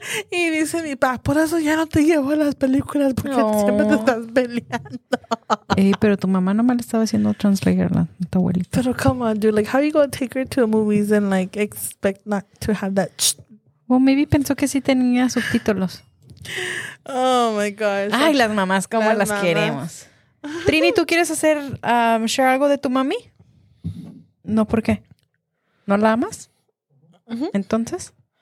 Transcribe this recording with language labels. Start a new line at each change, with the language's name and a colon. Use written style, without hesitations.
Spanish: Y dice mi papá, por eso ya no te llevo a las películas porque siempre te estás peleando. Ey, pero tu mamá nomás le estaba haciendo translatearla a tu abuelita.
English: Pero come on, dude, like, how are you going to take her to the movies and like expect not to have that?
Spanish: Well, maybe pensó que sí tenía subtítulos.
English: Oh my gosh.
Spanish: Ay, las mamás, cómo las queremos. Trini, ¿tú quieres hacer share algo de tu mami? No, ¿por qué? ¿No la amas? ¿Entonces?